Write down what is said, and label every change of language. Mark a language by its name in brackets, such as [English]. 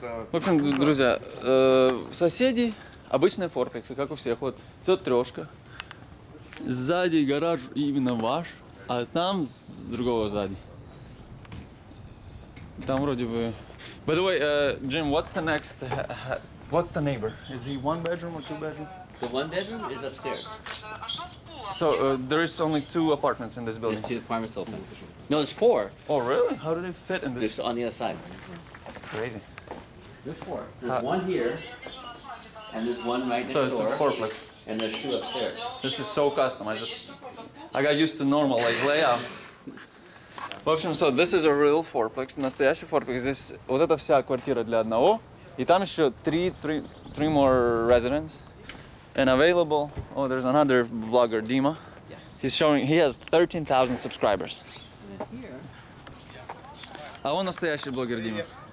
[Russian] В общем, друзья, соседи обычные форплексы, как у всех. Вот тут трешка. Сзади гараж именно ваш, а там с другого сзади. Там вроде бы. [English] By the way, Jim, what's the next? What's the neighbor? Is he one bedroom or two bedroom? The one bedroom is upstairs. So there is only two apartments in this building. There's two apartments open. No, there's four. Oh, really? How do they fit in this? It's on the other side. Crazy. There's four. There's one here, and there's one right next door. So it's a fourplex. And there's two upstairs. This is so custom. I got used to normal like layout. [Russian] В общем, [English] so this is a real fourplex, [Russian] настоящий фourplex. Здесь вот эта вся квартира для одного, и там еще [English] three more residents. And available. Oh, there's another vlogger, Dima. Yeah. He's showing. He has 13,000 subscribers. And here. [Russian] А он настоящий блогер, Дима.